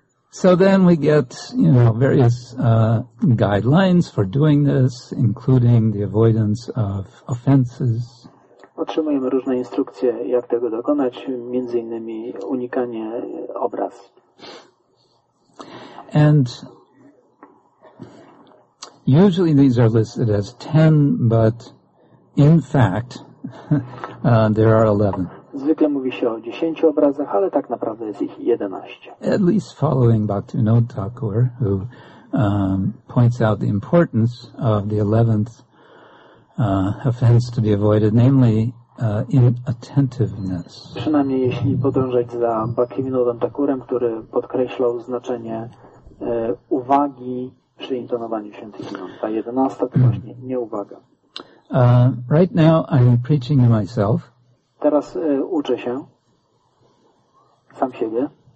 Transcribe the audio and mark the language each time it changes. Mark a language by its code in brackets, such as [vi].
[en] So then we get, you know, various guidelines for doing this, including the avoidance of offenses. [pl] Otrzymujemy różne instrukcje, jak tego dokonać, między innymi unikanie obraz. [en] And usually these are listed as 10, but in fact there are 11. [pl] Zwykle mówi się o 10 obrazach, ale tak naprawdę jest ich 11. [en] At least following Bhaktivinoda Thakur, who points out the importance of the 11th offense to be avoided, namely inattentiveness. [pl] Przynajmniej jeśli podążać za Bhaktivinodą Thakurem, który podkreślał znaczenie uwagi przy intonowaniu świętych imion. Ta 11 to właśnie nieuwaga. [en] Right now I'm preaching to myself. [pl] Teraz uczę się sam siebie.